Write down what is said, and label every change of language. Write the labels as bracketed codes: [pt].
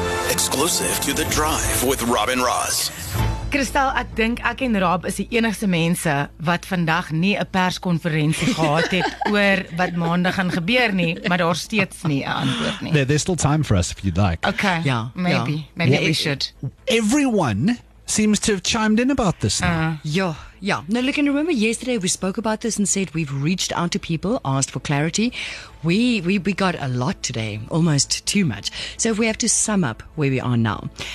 [en] Exclusive to The Drive with Robin Ross. [af] Christel, ek dink ek en Rob is die enigste mense wat vandag nie 'n perskonferensie gehad het oor wat maandag gaan gebeur nie, maar daar steeds nie 'n antwoord nie. [en] There's still time for us if you'd like. Okay. Yeah. Maybe. Yeah. Maybe we should. Everyone seems to have chimed in about this now. Yeah. Now look, and remember yesterday we spoke about this and said we've reached out to people, asked for clarity. We got a lot today, almost too much. So if we have to sum up where we are now.